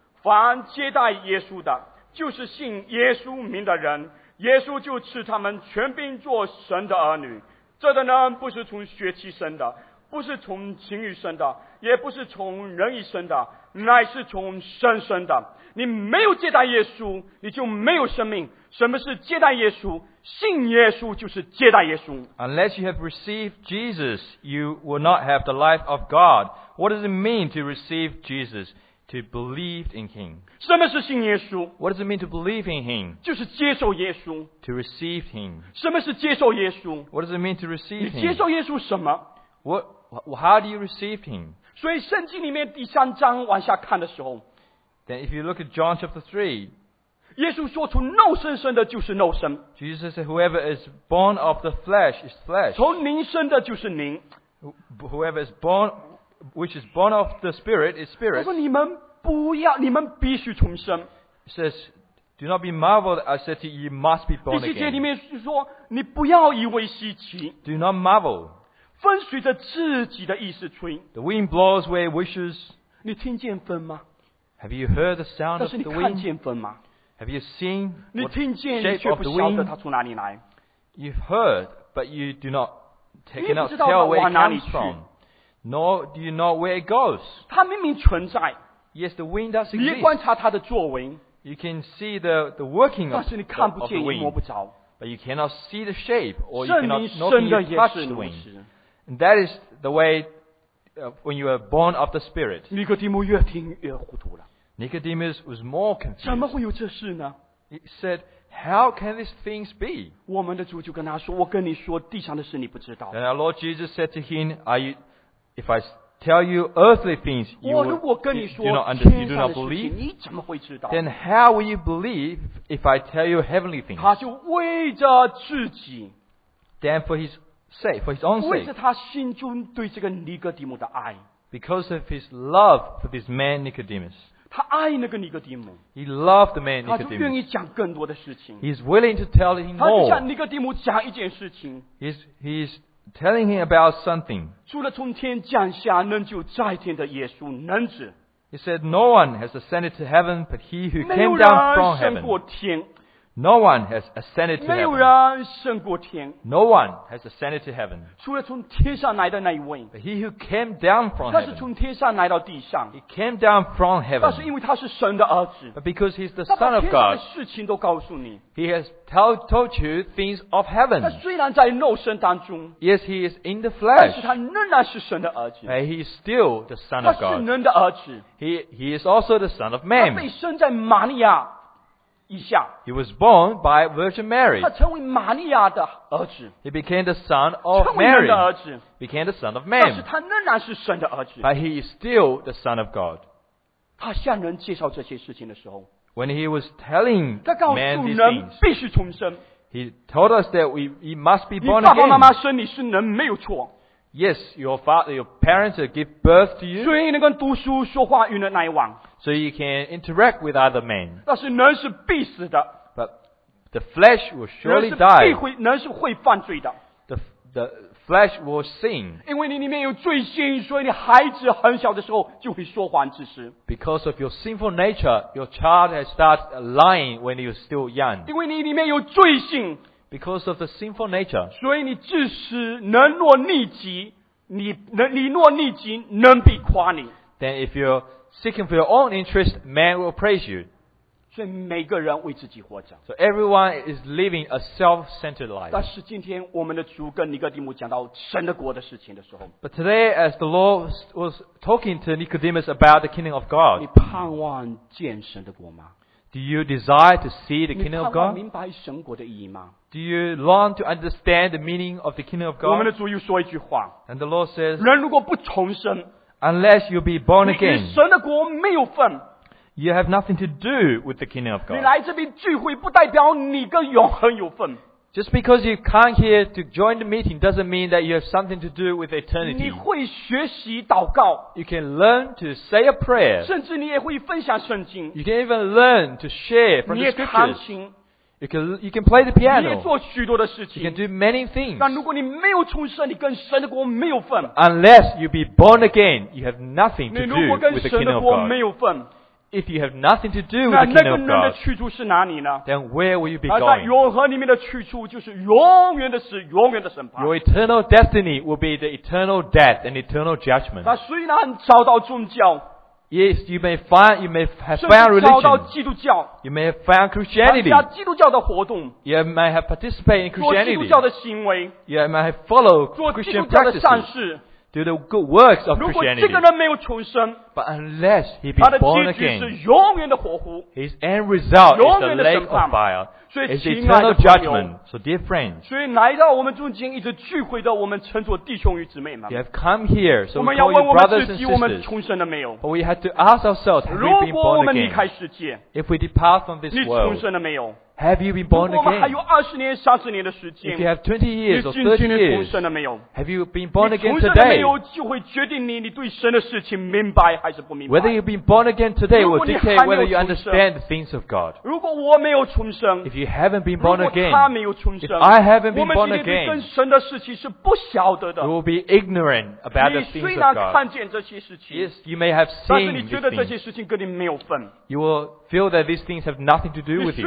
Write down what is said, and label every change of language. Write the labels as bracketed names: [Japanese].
[Chinese] 凡接待耶稣的，就是信耶稣名的人，耶稣就赐他们权柄做神的儿女。这的呢，不是从血气生的，不是从情欲生的，也不是从人欲生的，乃是从神生的。你没有接待耶稣，你就没有生命。什么是接待耶稣？信耶稣就是接待耶稣。 [English] Unless you have received Jesus, you will not have the life of God. What does it mean to receive Jesus? To believe in Him. [Chinese] 什么是信耶稣？ [English] What does it mean to believe in Him? [Chinese] 就是接受耶稣。 [English] To receive Him. [Chinese] 什么是接受耶稣？ [English] What does it mean to receive Him? [Chinese] 你接受耶稣什么？ [English] How do you receive Him? [Chinese] 所以圣经里面第三章往下看的时候， [English] Then if you look at John chapter 3, [Chinese] 耶稣说出肉身生的就是肉身。 [English] Jesus said, whoever is born of the flesh is flesh. [Chinese] 从灵生的就是灵。 [English] Whoever is born, which is born of the spirit is spirit. [Chinese] 他说你们不要，你们必须重生。 [English] He says, do not be marveled, I said to you, you must be born again. [Chinese] 第七节里面是说，你不要以为稀奇。 [English] Do not marvel. [Chinese] 风随着自己的意思吹。 [English] The wind blows where it wishes. [Chinese] 你听见风吗？ [English] Have you heard the sound of the wind? [Chinese] 但是你看见风吗？ [English] Have you seen the shape of the wind? [Chinese] 你听见，却不晓得它从哪里来。 [English] You've heard, but you do not take it out, tell where it comes from. Nor do you know where it goes. [Chinese] 它明明存在。 [English] Yes, the wind does exist. [Chinese] 你观察它的作为。 [English] You can see the working of the wind. [Chinese] 但是你看不见，也摸不着。 [English] But you cannot see the shape, or you cannot know if you touch the wind. And that is the way when you are born of the Spirit. [Chinese] 尼哥底母越听越糊涂了。 [English] Nicodemus was more confused. [Chinese] 怎么会有这事呢？ [English] He said, how can these things be? [Chinese] 我们的主就跟他说，我跟你说，地上的事你不知道。 [English] And our Lord Jesus said to him, if I tell you earthly things, you do not believe, then how will you believe if I tell you heavenly things? [Chinese] 他就为着自己， [English] then for his own sake, [Chinese] 为着他心中对这个尼哥底母的爱， [English] because of his love for this man Nicodemus. [Chinese] 他爱那个尼哥底母， [English] he loved the man Nicodemus. [Chinese] 他就愿意讲更多的事情。 [English] He's willing to tell him more. [Chinese] 他就向尼哥底母讲一件事情。 [English] He's telling him about something. [Chinese] 除了从天降下能救在天的耶稣能子。 [English] He said, no one has ascended to heaven but he who came down from heaven. [Chinese] 没有人升过天。 [English] No one has ascended to heaven. [Chinese] 没有人升过天。 [English] No one has ascended to heaven. [Chinese] 除了从天上来的那一位。 [English] But he who came down from heaven. [Chinese] 他是从天上来到地上。 [English] He came down from heaven. [Chinese] 但是因为他是神的儿子。 [English] But because he's the son of God. [Chinese] 他把天上的事情都告诉你。 [English] He has told you things of heaven. [Chinese] 他虽然在肉身当中。 [English] Yes, he is in the flesh. [Chinese] 但是他仍然是神的儿子。 [English] But he is still the son of God. [Chinese] 他是人的儿子。 [English] He is also the son of man. [Chinese] 他被生在玛利亚。 [English] He was born by Virgin Mary. [Chinese] 他成为玛利亚的儿子。 [English] He became the son of Mary. [Chinese] 成为人的儿子。 [English] Became the son of man. [Chinese] 但是他仍然是神的儿子。 [English] But he is still the son of God. [Chinese] 他向人介绍这些事情的时候， [English] When he was telling man these things, [Chinese] 他告诉人必须重生。 [English] He told us that we must be born again. [Chinese] 你爸爸妈妈生你是人没有错。 [English] Yes, your parents give birth to you. [Chinese] 所以能跟读书说话与人来往。 [English] So you can interact with other men. [Chinese] 但是人是必死的。 [English] But the flesh will surely die. [Chinese] 人是会犯罪的。 [English] The flesh will sin. [Chinese] 因为你里面有罪心，所以你孩子很小的时候就会说谎之时。 [English] Because of your sinful nature, your child has started lying when you're still young. [Chinese] 因为你里面有罪性。 [English] Because of the sinful nature. [Chinese] 所以你自私，能若逆己，你若逆己，人必夸你。 [English] Then if you're seeking for your own interest, man will praise you. [Chinese] 所以每个人为自己活着。 [English] So everyone is living a self-centered life. [Chinese] 但是今天我们的主跟尼哥底母讲到神的国的事情的时候， [English] But today as the Lord was talking to Nicodemus about the kingdom of God, [Chinese] 你盼望见神的国吗？ [English] Do you desire to see the kingdom of God? [Chinese] 你盼望明白神国的意义吗？ [English] Do you long to understand the meaning of the kingdom of God? [Chinese] 我们的主又说一句话， [English] And the Lord says, [Chinese] 人如果不重生， [English] Unless you be born again, [Chinese] 与神的国没有份， [English] You have nothing to do with the kingdom of God. [Chinese] 你来这边聚会不代表你跟永恒有份。 [English] Just because you come here to join the meeting doesn't mean that you have something to do with eternity. [Chinese] 你会学习祷告。 [English] You can learn to say a prayer. [Chinese] 甚至你也会分享圣经。 [English] You can even learn to share from the scriptures. [Chinese] 你也弹琴。 [English] You can play the piano. [Chinese] 你也做许多的事情。 [English] You can do many things. [Chinese] 但如果你没有重生，你跟神的国没有份。 [English] Unless you be born again, you have nothing to do with the kingdom of God. [Chinese] 你如果跟神的国没有份。 [English] If you have nothing to do with the kingdom of God, [Chinese] 那个人的去处是哪里呢？ [English] Then where will you be going? [Chinese] 在永恒里面的去处就是永远的死，永远的审判。 [English] Your eternal destiny will be the eternal death and eternal judgment. [Chinese] 那虽然找到宗教。 [English] Yes, you may have found religion. You may have found Christianity. [Chinese] 参加基督教的活动。 [English] You may have participated in Christianity. [Chinese] 做基督教的行为。 [English] You may have followed Christian practices. [Chinese] 做基督教的善事。 [English] Do the good works of Christianity. [Chinese] 如果这个人没有重生, [English] but unless he be born again, [Chinese] 他的结局是永远的火湖, [English] his end result is the lake of fire. It's eternal judgment. So dear friends, [Chinese] 所以来到我们中间一直聚会的我们称作弟兄与姊妹们, [English] you have come here, so we call you brothers and sisters. [Chinese] 我们重生了没有? [English] But we have to ask ourselves, have we been born again? [Chinese] 如果我们离开世界, [English] if we depart from this world, [Chinese] 你重生了没有? [English] Have you been born again? [Chinese] 如果我们还有二十年、三十年的时间, [English] if you have 20 years or 30 years, [Chinese] 你重生了没有? [English] Have you been born again today? [Chinese] 你重生了没有就会决定你对神的事情明白还是不明白。 [English] Whether you've been born again today will dictate whether you understand the things of God. [Chinese] 如果我没有重生, [English] if you haven't been born again, [Chinese] 如果他没有重生, [English] if I haven't been born again, [Chinese] 我们今天对跟神的事情是不晓得的。 [English] You will be ignorant about the things of God. [Chinese] 你虽然看见这些事情, [English] yes, you may have seen these things. [Chinese] 但是你觉得这些事情跟你没有分。 [English] You will feel that these things have nothing to do with you.